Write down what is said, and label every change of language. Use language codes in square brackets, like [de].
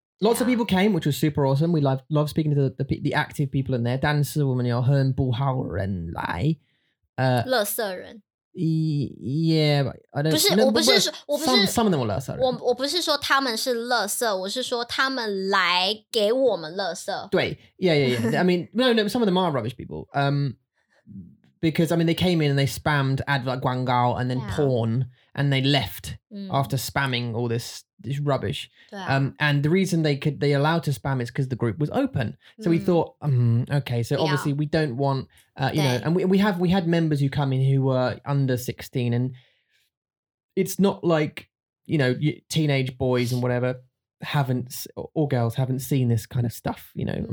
[en] Lots of people came, which was super awesome. We love speaking to the active people in there. [zh] 但是我们有很不好人来。垃圾人。 [en] Yeah, I don't know. [zh] 不是，我不是， [en] some of them were [zh] 垃圾人。我不是说他们是垃圾，我是说他们来给我们垃圾。对， [en] yeah. I mean, no, some of them are rubbish people. Because, I mean, they came in and they spammed advert [zh] guangao [en] and then porn, and they left after spamming all this rubbish. And the reason they allowed to spam is because the group was open. So we thought, okay, so obviously we don't want, and we had members who come in who were under 16, and it's not like, you know, teenage boys and whatever haven't seen this kind of stuff, you know.